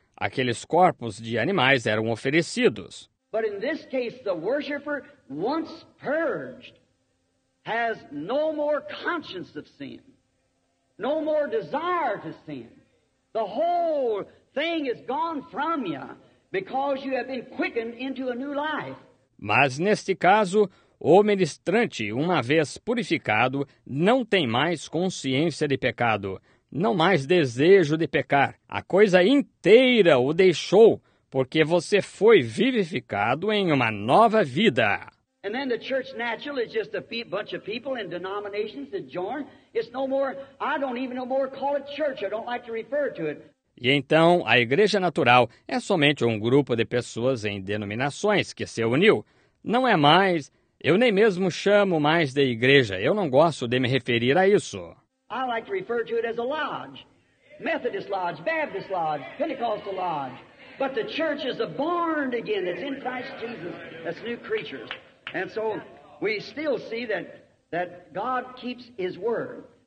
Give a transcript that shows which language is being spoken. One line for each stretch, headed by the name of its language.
Portuguese: aqueles corpos de animais eram oferecidos.
English: But in this case, the worshipper, once purged, has no more conscience of sin, no more desire to sin. The whole thing is gone from you because you have been quickened into a new life.
Portuguese: Mas neste caso, o ministrante, uma vez purificado, não tem mais consciência de pecado, não mais desejo de pecar. A coisa inteira o deixou, porque você foi vivificado em uma nova vida.
English: And then the church naturally is just a bunch of people in denominations that join. It's no more, I don't even no more call it church. I don't like to refer to it.
Portuguese: E então, a igreja natural é somente um grupo de pessoas em denominações que se uniu. Não é mais, eu nem mesmo chamo mais de igreja. Eu não gosto de me referir a isso.
English: I like to refer to it as a lodge. Methodist lodge, Baptist lodge, Pentecostal lodge. But the church is a born again that's in Christ Jesus. That's new creatures. And so we still see that God keeps his word.